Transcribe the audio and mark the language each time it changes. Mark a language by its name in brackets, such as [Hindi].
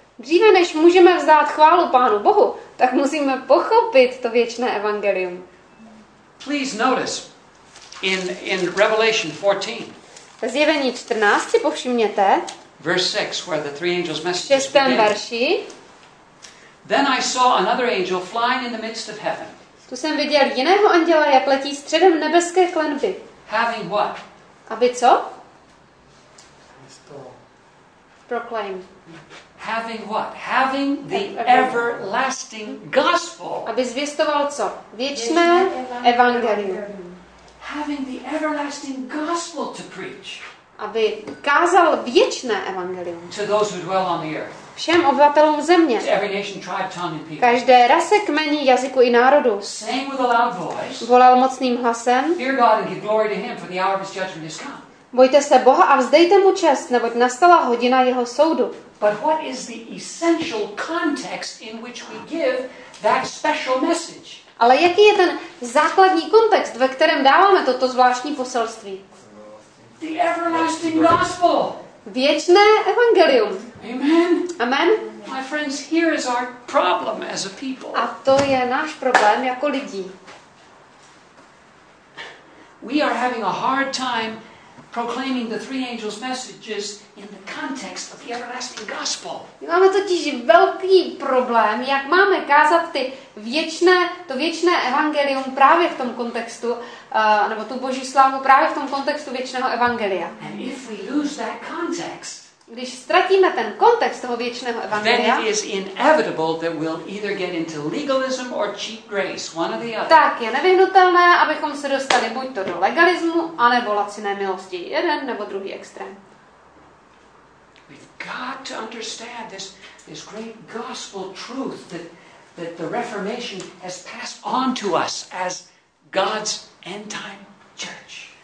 [Czech] Dříve než můžeme vzdát chválu Pánu Bohu, tak musíme pochopit to věčné evangelium. [English] Please notice in Revelation 14. [Czech] Ve zjevení 14 si povšimněte. [English] Verse 6, where the three angels' messages begin. [Czech] V šestém verši. [English] Then I saw another angel flying in the midst of heaven. [Czech] Tu jsem viděl jiného anděla, jak letí středem nebeské klenby. [English] Having what? [Czech] Aby co? [English] Proclaim. Having what? Having the everlasting gospel. [Czech] Aby zvěstoval co? Věčné evangelium. [English] Having the everlasting gospel to preach. [Czech] Aby kázal věčné evangelium. [English] To those who dwell on the earth. [Czech] Všem obyvatelům země. [English] To every nation, tribe, tongue, and people. [Czech] Každé rase, kmeni, jazyku i národu. [English] Sing with a loud voice. [Czech] Volal mocným hlasem. [English] Fear God and give glory to Him, for the hour of His judgment is come. [Czech] Bojte se Boha a vzdejte mu čest, neboť nastala hodina jeho soudu. [English] But what is the essential context in which we give that special message? [Czech] Ale jaký je ten základní kontext, ve kterém dáváme toto zvláštní poselství? [English] The everlasting gospel. [Czech] Věčné evangelium. [English] Amen. [Czech] Amen. [English] My friends, here is our problem as a people. [Czech] A to je náš problém jako lidí. [English] We are having a hard time proclaiming the three angels' messages in the context of the everlasting gospel. [Czech] My máme totiž velký problém, jak máme kázat ty věčné, to věčné evangelium právě v tom kontextu, nebo tu Boží slávu právě v tom kontextu věčného evangelia. [English] And if we lose that context, [Czech] když ztratíme ten kontext toho věčného evangelia, [English] then it is inevitable that we'll either get into legalism or cheap grace, one or the other. [Czech] Tak je nevyhnutelné, abychom se dostali buď to do legalismu, anebo laciné milosti, jeden nebo druhý extrém. [English] We've got to understand this great gospel truth that the Reformation has passed on to us as God's end time church.